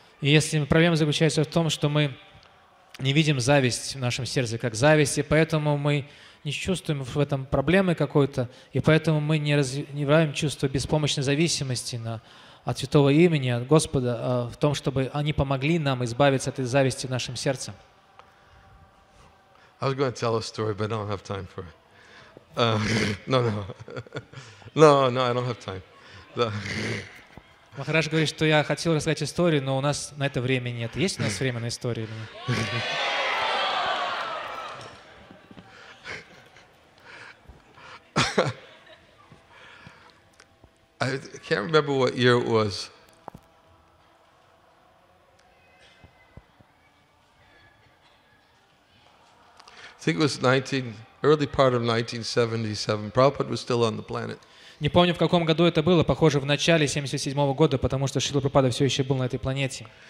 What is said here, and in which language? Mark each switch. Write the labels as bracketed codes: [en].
[ru] И если проблема заключается в том, что мы не видим зависть в нашем сердце как зависть, и поэтому мы не чувствуем в этом проблемы какой-то, и поэтому мы не развиваем чувство беспомощной зависимости от Святого Имени, от Господа, в том, чтобы они помогли нам избавиться от этой зависти в нашем сердце. [en] I was going to tell a story, but I don't have time for it. No, I don't have time. [ru] Махараш говорит, что я хотел рассказать историю, но у нас на это время нет. Есть у нас время на историю? [en] I can't remember what year it was. I think it was early part of 1977. Prabhupada was still on the planet. [ru] Не помню, в каком году это было, похоже, в начале 77-го года, потому что Шрила Прабхупада все еще был на этой планете.